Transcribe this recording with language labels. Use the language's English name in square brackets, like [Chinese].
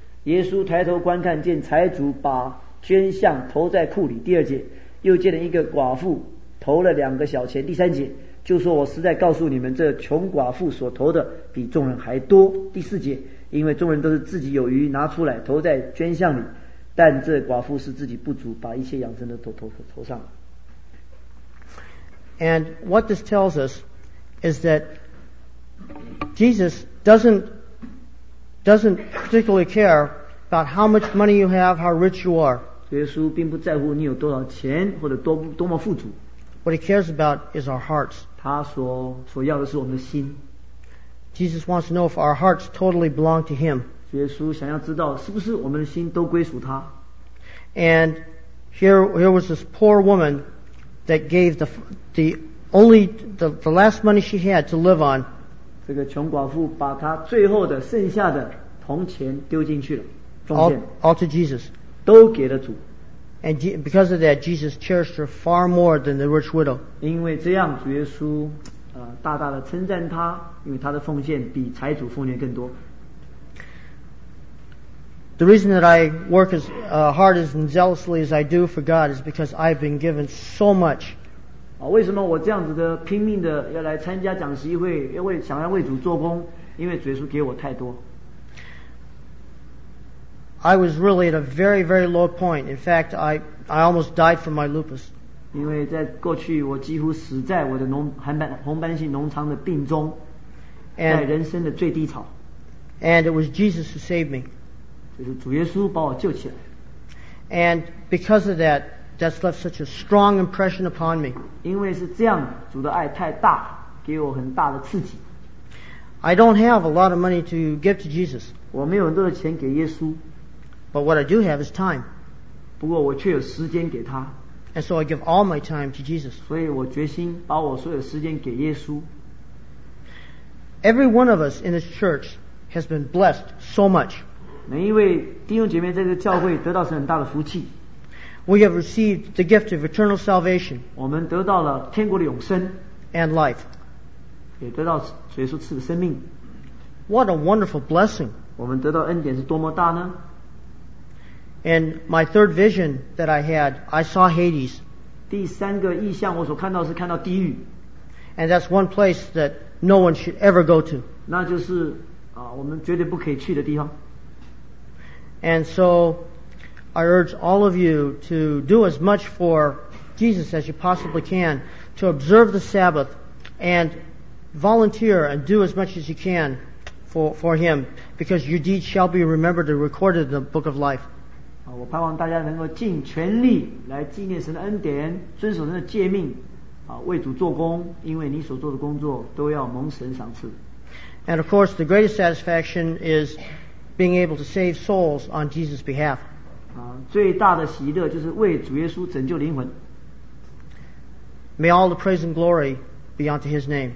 [Chinese] 耶稣抬头观看见财主把捐项投在库里，第二节，又见了一个寡妇投了两个小钱，第三节，就说我实在告诉你们，这穷寡妇所投的比众人还多，第四节，因为众人都是自己有余拿出来投在捐项里。但这寡妇是自己不足，把一切养生的都投上了。 [English] And what this tells us is that Jesus doesn't particularly care about how much money you have, how rich you are. [Chinese] 耶稣并不在乎你有多少钱或者多么富足。 [English] What he cares about is our hearts. [Chinese] 他所要的是我们的心。 [English] Jesus wants to know if our hearts totally belong to him. [Chinese] 耶稣想要知道是不是我们的心都归属他。 [English] And here was this poor woman that gave the last money she had to live on. [Chinese] 这个穷寡妇把她最后的剩下的铜钱丢进去了，奉献。 [English] All to Jesus. [Chinese] 都给了主。 [English] And because of that, Jesus cherished her far more than the rich widow. [Chinese] 因为这样，主耶稣大大的称赞她，因为她的奉献比财主奉献更多。 [English] The reason that I work as hard as and zealously as I do for God is because I've been given so much. [Chinese] 为什么我这样子的拼命的要来参加讲习会，想要为主做工，因为主耶稣给我太多。 [English] I was really at a very, very low point. In fact, I almost died from my lupus. [Chinese] 因为在过去我几乎死在我的红斑性脓疮的病中，在人生的最低潮。 [English] And it was Jesus who saved me. [Chinese] 就是主耶稣把我救起来。 [English] And because of that, that's left such a strong impression upon me. [Chinese] 因为是这样，主的爱太大，给我很大的刺激。 [English] I don't have a lot of money to give to Jesus. [Chinese] 我没有很多的钱给耶稣。 [English] But what I do have is time. [Chinese] 不过我却有时间给他。 [English] And so I give all my time to Jesus. [Chinese] 所以我决心把我所有时间给耶稣。 [English] Every one of us in this church has been blessed so much. [Chinese] 每一位弟兄姐妹在这个教会得到是很大的福气。 [English] We have received the gift of eternal salvation. [Chinese] 我们得到了天国的永生。 [English] And life. [Chinese] 也得到耶稣赐的生命。 [English] What a wonderful blessing. [Chinese] 我们得到恩典是多么大呢？ [English] And my third vision that I had, I saw Hades. [Chinese] 第三个异象我所看到是看到地狱。 [English] And that's one place that no one should ever go to. [Chinese] 那就是我们绝对不可以去的地方。 [English] And so, I urge all of you to do as much for Jesus as you possibly can, to observe the Sabbath, and volunteer and do as much as you can for Him, because your deeds shall be remembered and recorded in the book of life. [Chinese] 我盼望大家能够尽全力来纪念神的恩典，遵守神的诫命，为主做工，因为你所做的工作都要蒙神赏赐。 [English] And of course, the greatest satisfaction is being able to save souls on Jesus' behalf. [Chinese] 最大的喜乐就是为主耶稣拯救灵魂。 [English] May all the praise and glory be unto his name.